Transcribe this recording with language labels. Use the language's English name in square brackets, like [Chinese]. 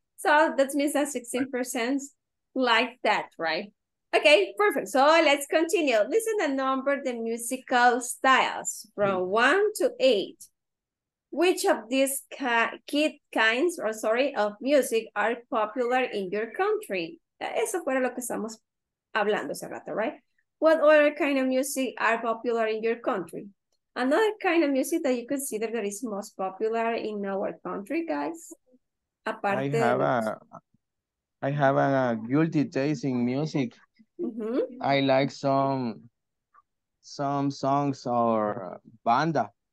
[English] So that means that 16% like that, right? Okay, perfect. So let's continue. Listen and number the musical styles from 1 to 8. Which of these kinds of music are popular in your country? [Spanish] Eso fue lo que estamos hablando hace rato, right? [English] What other kind of music are popular in your country? Another kind of music that you consider that is most popular in our country, guys? I have a guilty taste in music. Mm-hmm. I like some songs or banda.